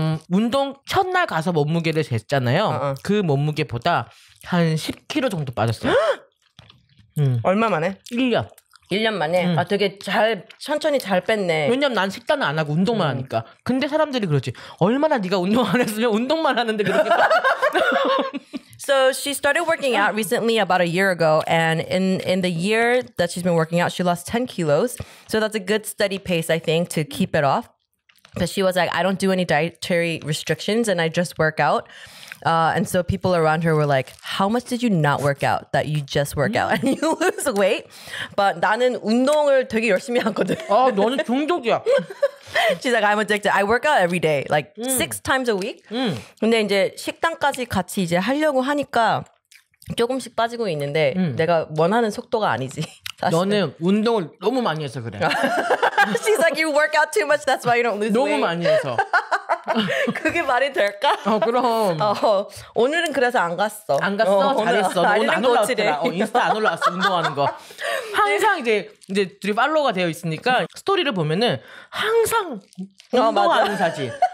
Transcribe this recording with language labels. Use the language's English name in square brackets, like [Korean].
[Korean] 운동 첫날 가서 몸무게를 쟀잖아요. 그 몸무게보다 한 10킬로 정도 빠졌어요. 얼마 만에? 1년. 1년 만에? 아, 되게 잘 천천히 잘 뺐네. 왜냐면 난 식단을 안 하고 운동만 하니까. 근데 사람들이 그러지. 얼마나 네가 운동 안 했으면 운동만 하는데 그렇게 [English] So she started working out recently about a year ago, and in the year that she's been working out, she lost 10 kilos. So that's a good steady pace, I think, to keep it off. But she was like, I don't do any dietary restrictions, and I just work out. And so people around her were like, how much did you not work out that you just work out and you lose weight? But [Korean] 나는 운동을 되게 열심히 하거든. 아, 너는 중독이야. [English] She's like, I'm addicted. I work out every day, like 6 times a week. [Korean] 근데 이제 식단까지 같이 이제 하려고 하니까 조금씩 빠지고 있는데 내가 원하는 속도가 아니지. 사실은. 너는 운동을 너무 많이 해서 그래. [English] She's like, you work out too much, that's why you don't lose [Korean] 너무 [English] weight. [Korean] 너무 많이 해서. 그게 말이 될까? 어, 그럼. 어, 오늘은 그래서 안 갔어. 안 갔어? 어, 잘했어. 오늘 안 올라왔더라. 어, 인스타 안 올라왔어, 운동하는 거. 항상 이제 둘이 팔로워가 되어 있으니까 스토리를 보면은 항상 운동하는 사진.